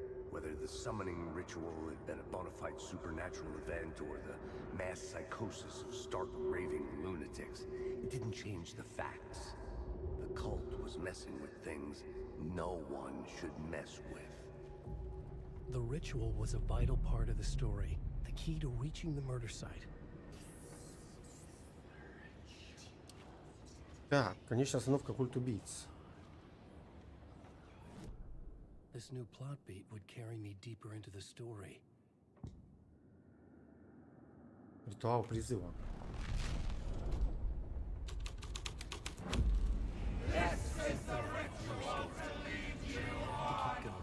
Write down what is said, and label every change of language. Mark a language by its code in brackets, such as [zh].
[en] Whether the summoning ritual had been a bona fide supernatural event or the mass psychosis of stark raving lunatics, it didn't change the facts. The cult was messing with things no one should mess with. The ritual was a vital part of the story, the key to reaching the murder site. [ru] Yeah, конечно, остановка культ убийц. [en] This new plot beat would carry me deeper into the story. [ru] Ритуал призыва. [en] This is the ritual to lead you on.